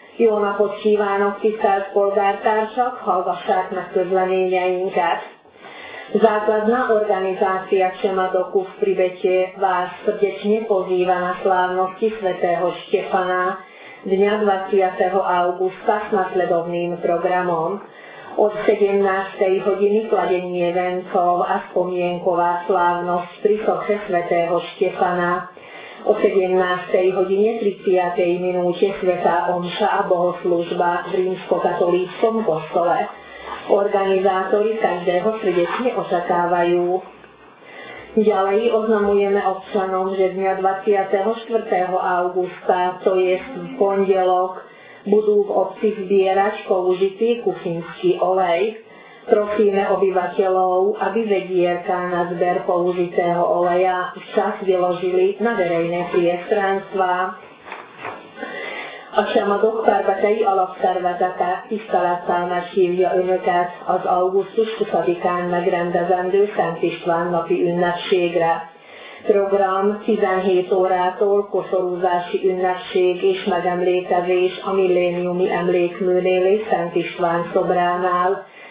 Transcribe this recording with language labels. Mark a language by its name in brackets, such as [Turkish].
[Hungarian] Ilona Počívánok, Tisztelt Polgártársak, hallgassák meg közleményeinket. [Slovak] Základná organizácia Csemadoku v Pribetie vás srdečne pozýva na slávnosti svätého Štefana dňa 20. augusta s nasledovným programom. Od 17. hodiny kladenie vencov a spomienková slávnosť pri soche svätého Štefana. O 17. hodine 30. minúte svätá omša a bohoslužba v rímskokatolíckom kostole. Organizátori každého srdečne očakávajú. Ďalej oznamujeme občanom, že dňa 24. augusta, to je pondelok, budú v obci zbierať použitý kuchynský olej. Prosíme obyvateľov, aby vedierka na zber použitého oleja včas vyložili na verejné priestranstvá. [Hungarian] A Csemadok Párbatei Alapszervezete tiszteletelnek hívja önöket az augusztus 20-án megrendezendő Szent István napi ünnepségre. Program 17 órától koszorúzási ünnepség és megemlékezés a milléniumi emlékműnél és Szent István szobránál.